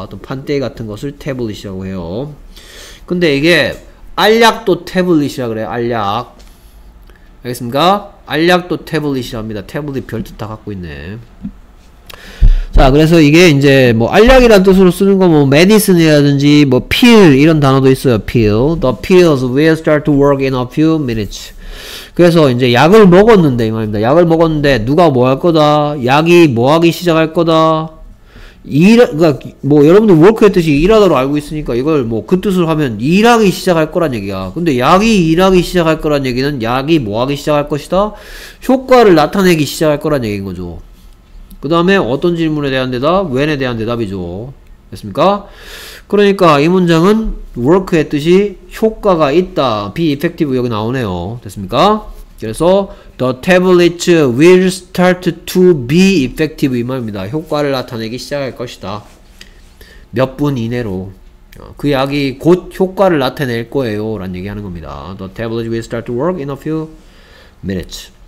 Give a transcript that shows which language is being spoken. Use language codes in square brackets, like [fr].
[ko] 어떤 판때기 같은 것을 태블릿이라고 해요. 근데 이게 알약도 태블릿이라 그래요. 알약. 알겠습니까? 알약도 태블릿이랍니다. 태블릿 별뜻 다 갖고 있네. 자, 그래서 이게 이제 뭐 알약이란 뜻으로 쓰는 거 뭐 메디슨이라든지 뭐 pill 이런 단어도 있어요. [en] pill. The pills will start to work in a few minutes. [ko] 그래서 이제 약을 먹었는데 이 말입니다. 약을 먹었는데 누가 뭐 할 거다? 약이 뭐 하기 시작할 거다? 그러니까 뭐 여러분들 워크했듯이 일하다로 알고 있으니까 이걸 뭐 그 뜻으로 하면 일하기 시작할 거란 얘기야. 근데 약이 일하기 시작할 거란 얘기는 약이 뭐하기 시작할 것이다? 효과를 나타내기 시작할 거란 얘기인 거죠. 그 다음에 어떤 질문에 대한 대답? when에 대한 대답이죠. 됐습니까? 그러니까 이 문장은 워크했듯이 효과가 있다. be effective 여기 나오네요. 됐습니까? 그래서 [en] the tablet will start to be effective [ko] 이 말입니다. 효과를 나타내기 시작할 것이다. 몇 분 이내로 그 약이 곧 효과를 나타낼 거예요 라는 얘기하는 겁니다. [en] the tablet will start to work in a few minutes.